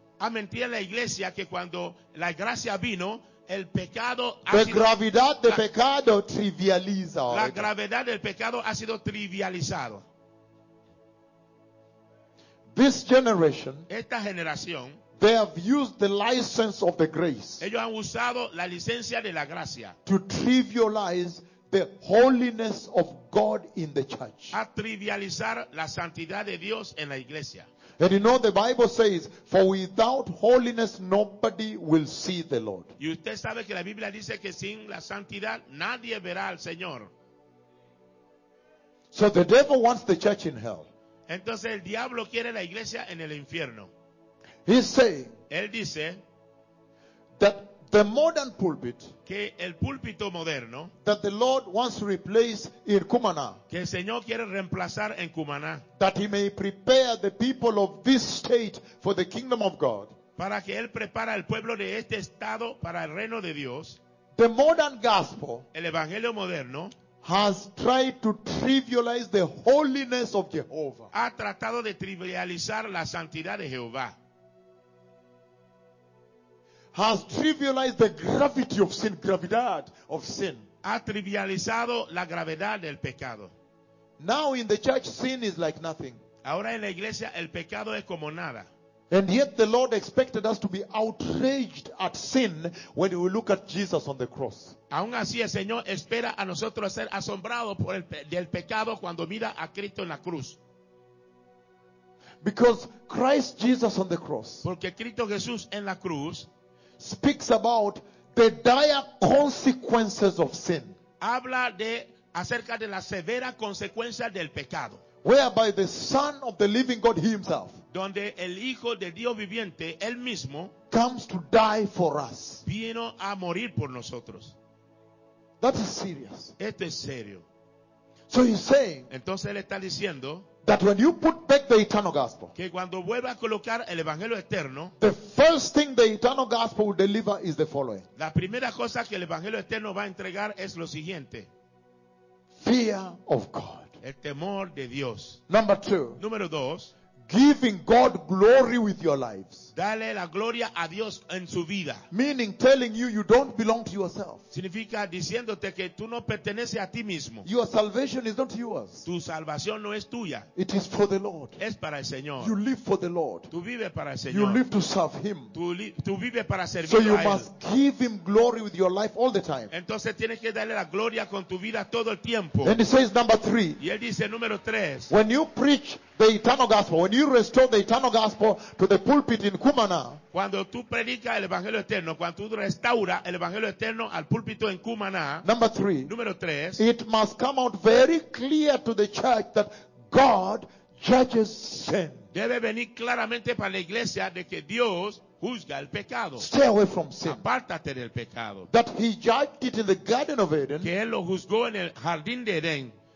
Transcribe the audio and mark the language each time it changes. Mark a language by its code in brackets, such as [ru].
[es] A mentir a la iglesia que cuando la gracia vino, el pecado ha sido, gravedad del pecado trivializa. La gravedad del pecado ha sido trivializado. [en] This generation, [es] esta generación, [en] they have used the license of the grace. [es] Ellos han usado la licencia de la gracia. [en] To trivialize the holiness of God in the church. [es] A trivializar la santidad de Dios en la iglesia. [en] And you know the Bible says, for without holiness nobody will see the Lord. [es] Y usted sabe que la Biblia dice que sin la santidad nadie verá al Señor. [en] So the devil wants the church in hell. [es] Entonces el diablo quiere la iglesia en el infierno. [en] He says, [es] él dice, [en] that the modern pulpit, [es] que el púlpito moderno, [en] that the Lord wants to replace in Cumaná, [es] que el Señor quiere reemplazar en Cumaná, [en] that he may prepare the people of this state for the kingdom of God, [es] para que él prepara el pueblo de este estado para el reino de Dios. [en] The modern gospel, [es] el evangelio moderno, [en] has tried to trivialize the holiness of Jehovah, [es] ha tratado de trivializar la santidad de Jehová. [en] has trivialized the gravity of sin, gravidad of sin. [es] Ha trivializado la gravedad del pecado. [en] Now in the church, sin is like nothing. [es] Ahora en la iglesia, el pecado es como nada. [en] And yet the Lord expected us to be outraged at sin when we look at Jesus on the cross. [es] Aún así, el Señor espera a nosotros ser asombrados por el pecado cuando mira a Cristo en la cruz. [en] Because Christ Jesus on the cross, [es] porque Cristo Jesús en la cruz, [en] speaks about the dire consequences of sin. [es] Habla de acerca de la severa consecuencia del pecado. [en] Whereby the Son of the Living God Himself, [es] donde el Hijo de Dios viviente, él mismo, [en] comes to die for us. [es] Vino a morir por nosotros. [en] That is serious. [es] Esto es serio. [en] So he's saying, [es] entonces él está diciendo, [en] that when you put back the eternal gospel, [es] que cuando vuelva a colocar el evangelio eterno, [en] the first thing the eternal gospel will deliver is the following. [es] La primera cosa que el evangelio eterno va a entregar es lo siguiente. [en] Fear of God. [es] El temor de Dios. [en] Number two. [es] Número dos. [en] Giving God glory with your lives. [es] Dale la gloria a Dios en su vida. [en] Meaning telling you you don't belong to yourself. [es] Significa diciéndote que tú no perteneces a ti mismo. [en] Your salvation is not yours. [es] Tu salvación no es tuya. [en] It is for the Lord. [es] Es para el Señor. [en] You live for the Lord. [es] Tú vives para el Señor. [en] You live to serve Him. [es] Tú vives para servir a Él. [en] So you must give Him glory with your life all the time. [es] Entonces tienes que darle la gloria con tu vida todo el tiempo. [en] And he says number three. [es] Y él dice número tres. [en] When you preach the eternal gospel, when you restore the eternal gospel to the pulpit in Cumaná, [es] cuando tú predicas el evangelio eterno, cuando tú restauras el evangelio eterno al púlpito en Cumaná, [en] number three, [es] número tres, [en] it must come out very clear to the church that God judges sin. [es] Debe venir claramente para la iglesia de que Dios juzga el pecado. [en] Stay away from sin. [es] Apártate del pecado. [en] That he judged it in the Garden of Eden, [es] que él lo juzgó en el jardín de Edén.